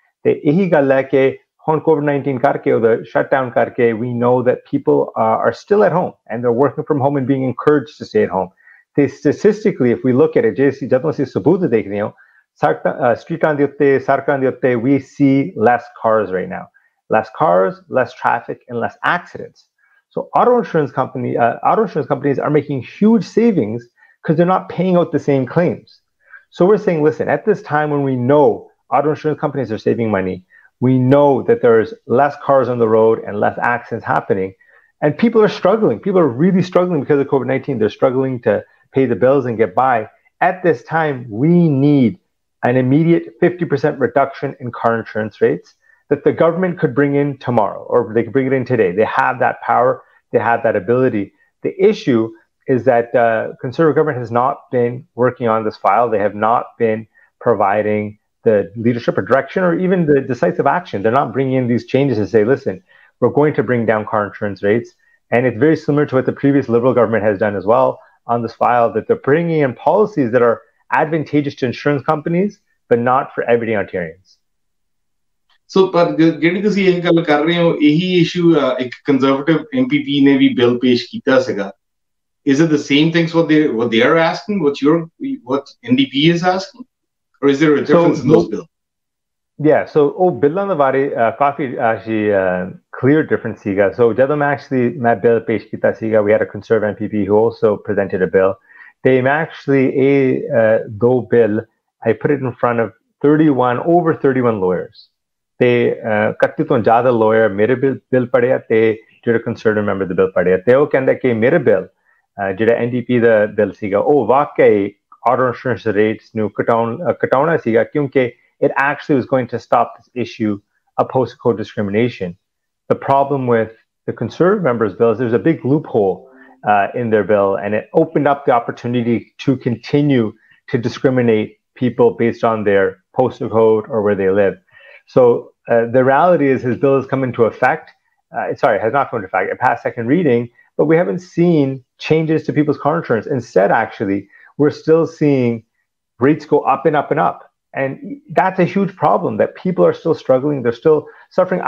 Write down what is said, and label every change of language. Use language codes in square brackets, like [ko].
[pa] ਤੇ ਇਹੀ ਗੱਲ ਹੈ ਕਿ ਹੁਣ ਕੋਵਿਡ 19 ਕਰਕੇ ਉਹਦਾ ਸ਼ਟ ਡਾਊਨ ਕਰਕੇ [en] We know that people are still at home and they working from home and being encouraged to stay at home. [pa] ਤੇ [en] statistically if we look at it, [pa] ਜੇ ਅਸੀਂ ਜਦੋਂ ਅਸੀਂ ਸਬੂਤ ਦੇਖਦੇ ਹਾਂ ਸਟਰੀਟਾਂ ਦੇ ਉੱਤੇ ਸੜਕਾਂ ਦੇ ਉੱਤੇ, [en] ਵੀ ਸੀ less cars right now. Less cars, less traffic, and less accidents. So auto insurance companies are making huge savings because they're not paying out the same claims. So we're saying, listen, at this time when we know auto insurance companies are saving money, we know that there's less cars on the road and less accidents happening, and people are struggling. People are really struggling because of COVID-19. They're struggling to pay the bills and get by. At this time, we need an immediate 50% reduction in car insurance rates that the government could bring in tomorrow, or they could bring it in today. They have that power. They have that ability. The issue is that the conservative government has not been working on this file. They have not been providing the leadership or direction or even the decisive action. They're not bringing in these changes to say, listen, we're going to bring down car insurance rates. And it's very similar to what the previous Liberal government has done as well on this file, that they're bringing in policies that are advantageous to insurance companies, but not for everyday Ontarians. [pa] ਸੋ ਪਰ ਜਿਹੜੀ ਤੁਸੀਂ ਇਹ ਗੱਲ ਕਰ ਰਹੇ ਹੋ, ਇਹੀ issue ਇੱਕ ਕੰਜ਼ਰਵੇਟਿਵ MPP ਨੇ ਵੀ ਬਿੱਲ ਪੇਸ਼ ਕੀਤਾ ਸੀਗਾ. [en] Is it the same things what they are asking, what NDP is asking, or is there a difference in those bill? [pa] ਯਾ, ਸੋ ਉਹ ਬਿੱਲਾਂ ਦੇ ਬਾਰੇ ਕਾਫੀ ਅਸੀਂ ਕਲੀਅਰ ਡਿਫਰੈਂਸ ਸੀਗਾ. ਸੋ ਜਦੋਂ ਮੈਂ ਬਿੱਲ ਪੇਸ਼ ਕੀਤਾ ਸੀਗਾ, [en] we had a conservative MPP who also presented a bill, [pa] ਤੇ ਮੈਂ ਐਕਚੁਅਲੀ ਇਹ ਦੋ bill [en] I put it in front of 31 over 31 lawyers, [pa] ਤੇ ਇਕੱਤੀ ਤੋਂ ਜ਼ਿਆਦਾ ਲੋਇਰ ਮੇਰੇ ਬਿੱਲ ਪੜ੍ਹਿਆ ਤੇ ਜਿਹੜੇ ਕੰਸਰਵੇਟਿਵ ਮੈਂਬਰ ਦੇ ਬਿੱਲ ਪੜ੍ਹਿਆ, ਤੇ ਉਹ ਕਹਿੰਦਾ ਕਿ ਮੇਰੇ ਬਿੱਲ ਜਿਹੜਾ NDP ਦਾ ਬਿੱਲ ਸੀਗਾ ਉਹ ਵਾਕਈ ਆਟੋ ਇੰਸ਼ੋਰੈਂਸ ਰੇਟਸ ਨੂੰ ਘਟਾਉਣਾ ਸੀਗਾ, ਕਿਉਂਕਿ [en] It actually was going to stop this issue of post code discrimination. The problem with the conservative members bill, there is a big loophole in their bill, and it opened up the opportunity to continue to discriminate people based on their post code or where they live. So the reality is his bill has come into effect. Has not come into effect. It passed second reading, but we haven't seen changes to people's car insurance. Instead, actually, we're still seeing rates go up and up and up. And that's a huge problem, that people are still struggling. They're still suffering.